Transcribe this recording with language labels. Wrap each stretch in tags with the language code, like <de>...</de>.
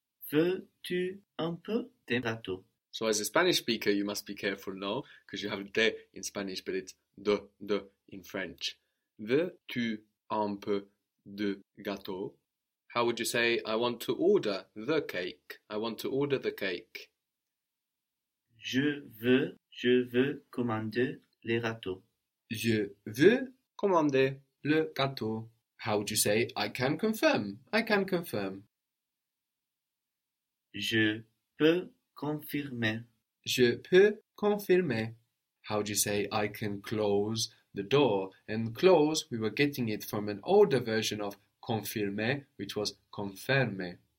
<fr>Veux-tu un peu de gâteau?</fr> <en>So, as a Spanish speaker, you must be careful now, because you have de in Spanish, but it's de in French.</en> <fr>Veux-tu un peu de gâteau?</fr> <en>How would you say, I want to order the cake? I want to order the cake.</en> <fr>Je veux commander les gâteaux. Je veux commander le gâteau.</fr> <en>How would you say, I can confirm? I can confirm.</en> <fr>Je peux confirmer. Je peux confirmer.</fr> <en>How do you say I can close the door? And close, we were getting it from an older version of confirmer, which was confirmer.</en>